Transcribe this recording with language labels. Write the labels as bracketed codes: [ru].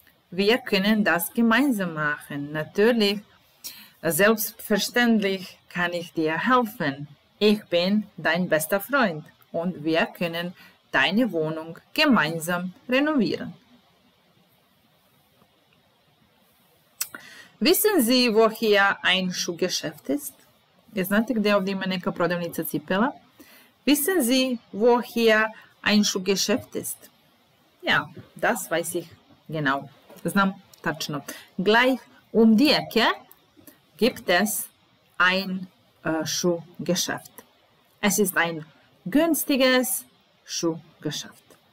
[de] Wir können das gemeinsam machen. Natürlich, selbstverständlich kann ich dir helfen. Ich bin dein bester Freund und wir können deine Wohnung gemeinsam renovieren. Wissen Sie, wo hier ein Schuhgeschäft ist? [sr] Ihr seht, gde ovde ima neka prodavnica cipela. [de] Wissen Sie, wo hier ein Schuhgeschäft ist? Ja, das weiß ich genau. Znam tačno. Gleich um die Ecke gibt es ein Schuhgeschäft. Es ist ein günstiges Schuhgeschäft.